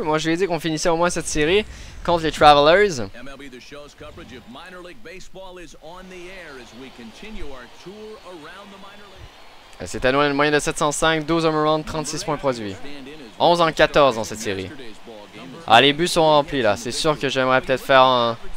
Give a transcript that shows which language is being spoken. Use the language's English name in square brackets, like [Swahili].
[French] Moi, je lui ai dit qu'on finissait au moins cette série contre les Travelers. [English] MLB, the show's coverage of minor league baseball is on the air as we continue our tour around the minor league. [French] C'est à nous une moyenne de 705, 12 home runs, 36 points produits. 11 en 14 dans cette série. Ah, les buts sont remplis là. C'est sûr que j'aimerais peut-être faire un.